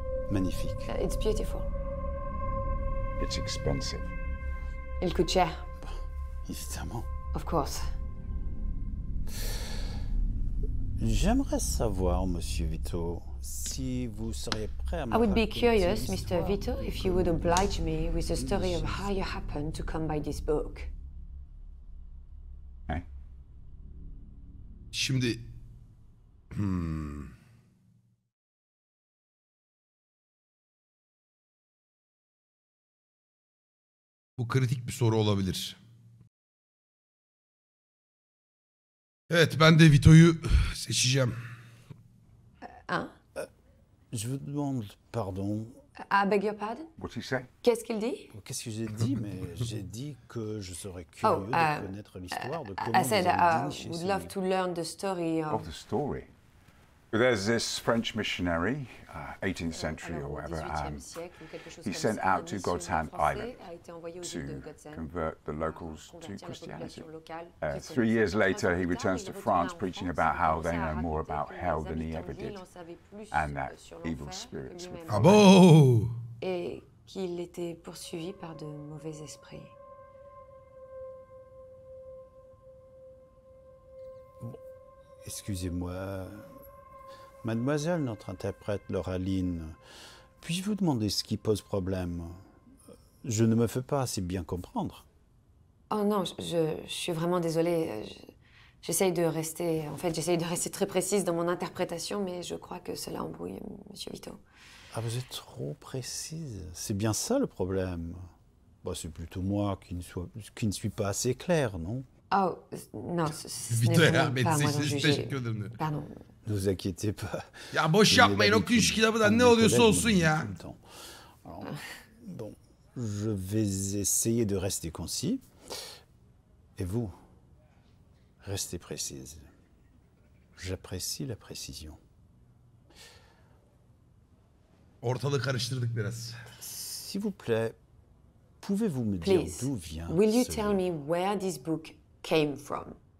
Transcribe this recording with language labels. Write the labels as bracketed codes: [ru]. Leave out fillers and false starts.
[fr] Magnifique. [en] It's beautiful. It's expensive. [fr] Il coûte cher. Évidemment. [en] Of course. [fr] J'aimerais savoir, Monsieur Vito, si vous seriez prêt à me [en] I would be curious, Mr. Vito, if you would oblige me with the story of how you happened to come by this book. Hey. [tr] Şimdi... Bu kritik bir soru olabilir. Evet, ben de Vito'yu seçeceğim. [fr] Je vous demande pardon. [en] I beg your pardon? What did he say? [fr] Qu'est-ce qu'il dit? Qu'est-ce que j'ai dit? Mais j'ai dit que je serais curieux de connaître l'histoire de comment [en] I said, [fr] vous avez dit. [en] I would love to learn the story of... Of the story? There's this French missionary, 18th century or whatever, he sent out to God's Hand Island to convert the locals to Christianity. 3 years later, he returns to France preaching about how they know more about hell than he ever did and that evil spirits were there. [fr] Et qu'il était poursuivi par de mauvais esprits. Excusez-moi. Mademoiselle, notre interprète, Laura Lynn, puis-je vous demander ce qui pose problème? Je ne me fais pas assez bien comprendre. Oh non, je suis vraiment désolée. J'essaye de rester très précise dans mon interprétation, mais je crois que cela embrouille Monsieur Vito. Ah, vous êtes trop précise. C'est bien ça le problème. Bah, c'est plutôt moi qui ne suis pas assez clair, non? Oh, non, ce n'est pas moi d'en juger. Pardon. Ne vous inquiétez pas. [tr] Ya boş yapmayın, o kuş kitabı da ne oluyorsa olsun ya. [fr] Bon, je vais essayer de rester concis. Et vous, restez précise. J'apprécie la précision. [tr] Ortalığı karıştırdık biraz. [fr] S'il vous plaît, pouvez-vous me dire d'où vient ce livre? [en] Will you tell me where this book came from?